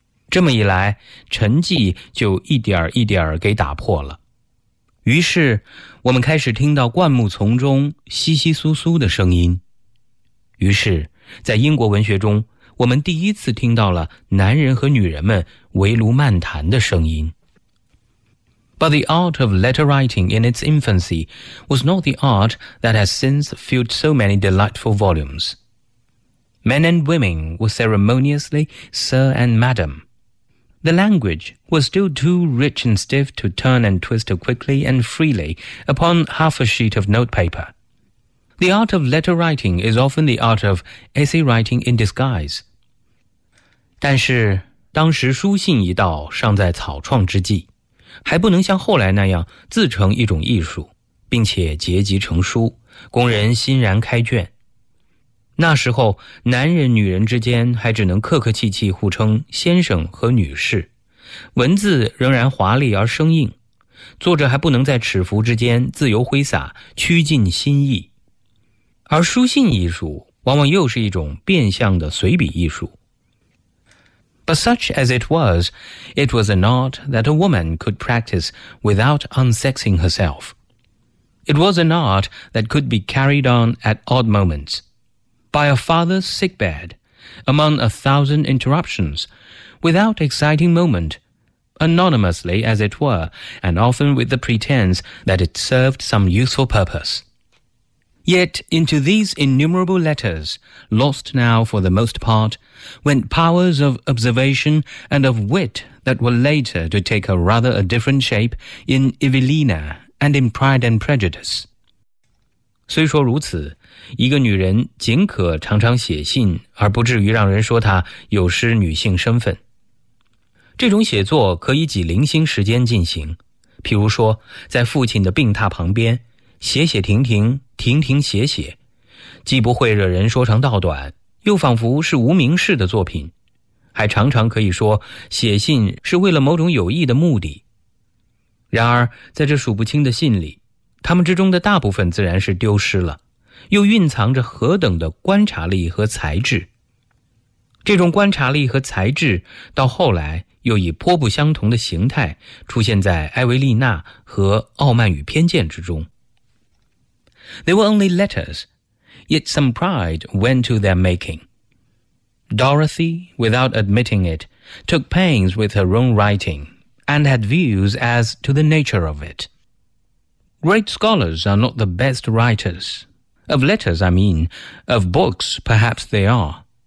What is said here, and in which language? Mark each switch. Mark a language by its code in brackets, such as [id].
[zh] 这么一来，沉寂就一点一点给打破了。于是，我们开始听到灌木丛中窸窸窣窣的声音。于是，在英国文学中，我们第一次听到了男人和女人们围炉漫谈的声音。 [en] But the art of letter writing in its infancy was not the art that has since filled so many delightful volumes. Men and women were ceremoniously sir and madam. The language was still too rich and stiff to turn and twist quickly and freely upon half a sheet of notepaper. The art of letter writing is often the art of essay writing in disguise. [zh] 但是当时书信一道尚在草创之际，还不能像后来那样自成一种艺术，并且结集成书，供人欣然开卷。那时候男人女人之间还只能客客气气互称先生和女士，文字仍然华丽而生硬，作者还不能在尺幅之间自由挥洒，趋近心意。而书信艺术往往又是一种变相的随笔艺术。 [en] But such as it was an art that a woman could practice without unsexing herself. It was an art that could be carried on at odd moments, by a father's sickbed, among a thousand interruptions, without exciting moment, anonymously as it were, and often with the pretense that it served some useful purpose. Yet into these innumerable letters, lost now for the most part, went powers of observation and of wit that were later to take a rather a different shape in Evelina and in Pride and Prejudice. [zh] 虽说如此，一个女人仅可常常写信而不至于让人说她有失女性身份。这种写作可以挤零星时间进行，譬如说在父亲的病榻旁边写写停停，停停写写，既不会惹人说长道短，又仿佛是无名氏的作品，还常常可以说写信是为了某种有益的目的。然而在这数不清的信里，他们之中的大部分自然是丢失了，又蕴藏着何等的观察力和才智。这种观察力和才智到后来又以颇不相同的形态出现在艾维丽娜和傲慢与偏见之中。 [en] They were only letters, yet some pride went to their making. Dorothy, without admitting it, took pains with her own writing, and had views as to the nature of it. Great scholars are not the best writers. Of letters, I mean, of books, perhaps they are.